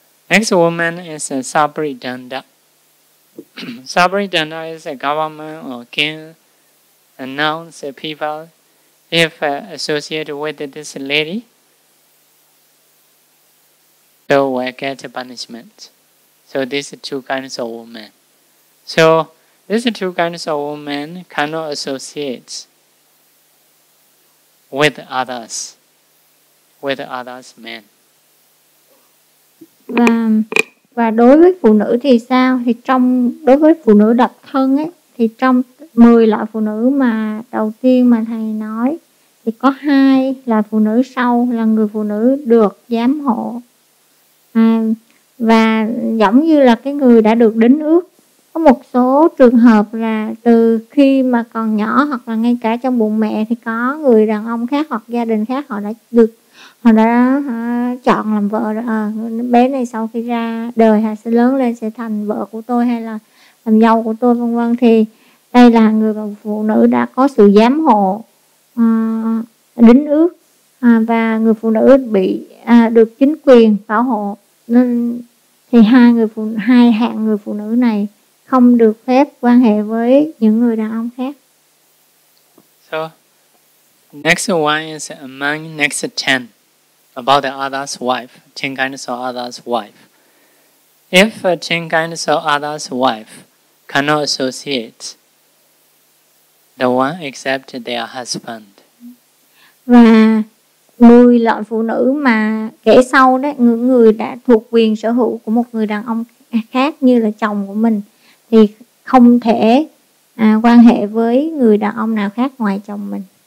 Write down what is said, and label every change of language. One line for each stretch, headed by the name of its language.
English: Next woman is a Sabridanda. Sabridanda is a government or king announce people if associated with this lady, so will get punishment. So these are two kinds of women. So these two kinds of women cannot associate with others men.
Vietnamese: Và đối với phụ nữ thì sao? Thì trong đối với phụ nữ độc thân ấy, thì trong 10 loại phụ nữ mà đầu tiên mà thầy nói thì có 2 loại phụ nữ sau là người phụ nữ được giám hộ. Và giống như là cái người đã được đính ước. Có một số trường hợp là từ khi mà còn nhỏ hoặc là ngay cả trong bụng mẹ thì có người đàn ông khác hoặc gia đình khác họ đã chọn làm vợ bé này, sau khi ra đời hay sẽ lớn lên sẽ thành vợ của tôi hay là làm dâu của tôi, vân vân. Thì đây là người và phụ nữ đã có sự giám hộ đính ước, và người phụ nữ bị được chính quyền bảo hộ, nên thì hai hạng người phụ nữ này không được phép quan hệ với những người đàn ông khác.
English: So next one is among next 10 about the other's wife, 10 kinds of other's wife. If 10 kinds of other's wife cannot associate the one except their husband.
Vietnamese: Và 10 loại phụ nữ mà kể sau đó, người đã thuộc quyền sở hữu của một người đàn ông khác như là chồng của mình, thì không thể quan hệ với người đàn ông nào khác ngoài chồng mình.